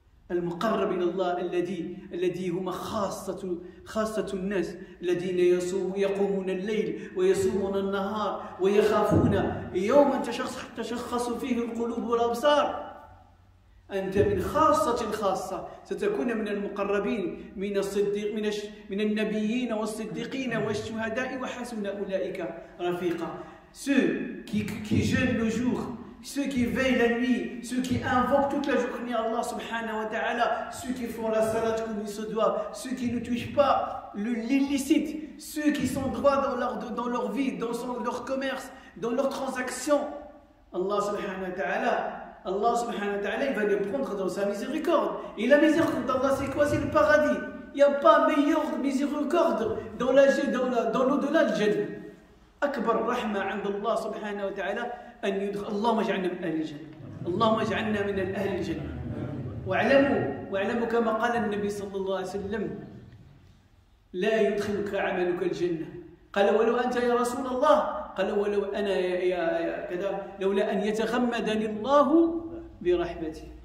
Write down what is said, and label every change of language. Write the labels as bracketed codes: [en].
[ar] المقرب إلى الله الذي هما خاصة الناس الذين يقومون الليل ويصومون النهار ويخافون يوما تشخص فيه القلوب والأبصار، أنت من خاصة الخاصة، ستكون من المقربين من النبيين والصديقين والشهداء وحسن أولئك رفيقا. [fr] Ceux qui jeûnent le jour, ceux qui veillent la nuit, ceux qui invoquent toute la journée Allah subhanahu wa ta'ala, ceux qui font la salat comme il se doit, ceux qui ne touchent pas l'illicite, ceux qui sont droits dans leur vie, dans leur commerce, dans leurs transactions, Allah subhanahu wa ta'ala, il va les prendre dans sa miséricorde. Et la miséricorde d'Allah, c'est quoi? C'est le paradis. Il n'y a pas meilleure miséricorde dans l'au-delà de Jannah. [ar] أكبر رحمة عند الله سبحانه وتعالى أن يدخل. اللهم اجعلنا من أهل الجنة. اللهم اجعلنا من الأهل الجنة. واعلموا واعلموا كما قال النبي صلى الله عليه وسلم لا يدخلك عملك الجنة. قال ولو أنت يا رسول الله، قال ولو أنا يا كذا، لولا أن يتغمدني الله برحمته.